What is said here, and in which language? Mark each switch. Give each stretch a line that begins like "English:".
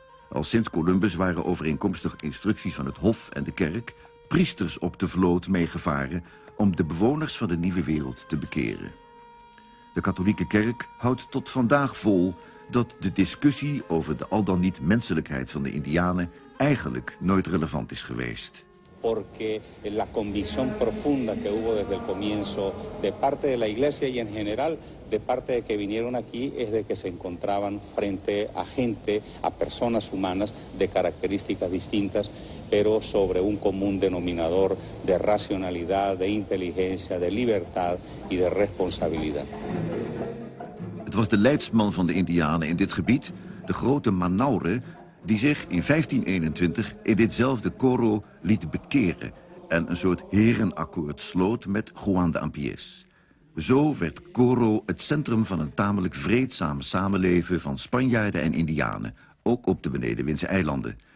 Dutch: Al sinds Columbus waren overeenkomstig instructies van het hof en de kerk priesters op de vloot meegevaren om de bewoners van de nieuwe wereld te bekeren. De katholieke kerk houdt tot vandaag vol dat de discussie over de al dan niet menselijkheid van de indianen eigenlijk nooit relevant is geweest.
Spanish: Porque la convicción profunda que hubo desde el comienzo de parte de la iglesia y en general de parte de que vinieron aquí es de que se encontraban frente a gente, a personas humanas de características distintas, pero sobre un común denominador de racionalidad, de inteligencia, de libertad y de responsabilidad.
Dutch: Het was de leidsman van de indianen in dit gebied, de grote Manaure, die zich in 1521 in ditzelfde Coro liet bekeren en een soort herenakkoord sloot met Juan de Ampies. Zo werd Coro het centrum van een tamelijk vreedzaam samenleven van Spanjaarden en Indianen, ook op de benedenwindse eilanden.